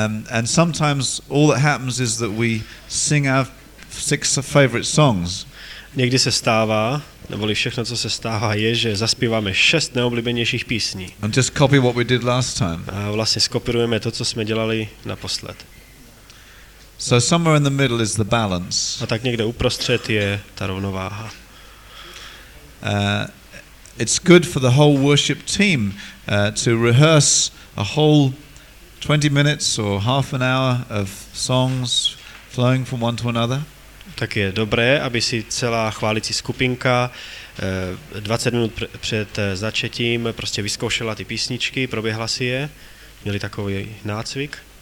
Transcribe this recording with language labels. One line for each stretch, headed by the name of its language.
English: And sometimes all that happens is that we sing our six favorite songs.
Czech: Někdy se stává, neboli všechno, co se stává, je, že zaspíváme šest neoblíbenějších písní.
English: And just copy what we did last time.
Czech: A vlastně skopírujeme to, co jsme dělali naposled.
English: So somewhere in the middle is the balance.
Czech: A tak někde uprostřed je ta rovnováha.
English: It's good for the whole worship team to rehearse a whole 20 minutes or half an hour of songs flowing from one to another.
Czech: Tak je dobré, aby si celá chválící skupinka 20 minut před začetím prostě vyzkoušela ty písničky, proběhla si je, měli takový nácvik.